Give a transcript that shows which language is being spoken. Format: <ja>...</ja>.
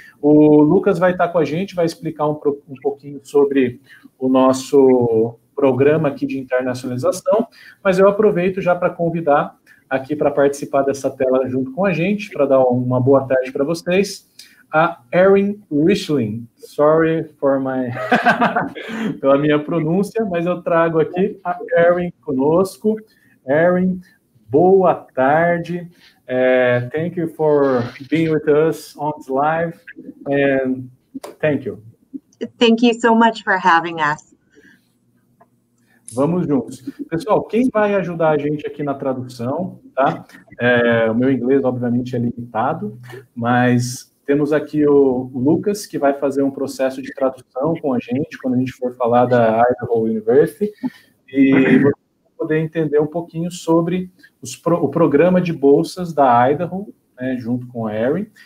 <pt>O Lucas vai estar com a gente, vai explicar um pouquinho sobre o nosso programa aqui de internacionalização, mas eu aproveito já para convidar aqui para participar dessa tela junto com a gente, para dar uma boa tarde para vocês, a Erin Richling.</pt> <en>Sorry for my...</en> <pt>pela minha pronúncia, mas eu trago aqui a Erin conosco. Erin, boa tarde.</pt> <en>Thank you for being with us on this live, and thank you. Thank you so much for having us.</en> <pt>Vamos juntos. Pessoal, quem vai ajudar a gente aqui na tradução, tá? O meu inglês, obviamente, é limitado, mas temos aqui o Lucas, que vai fazer um processo de tradução com a gente, quando a gente for falar da Idaho University, e poder entender um pouquinho sobre o programa de bolsas da Idaho, né, junto com a Erin.</pt>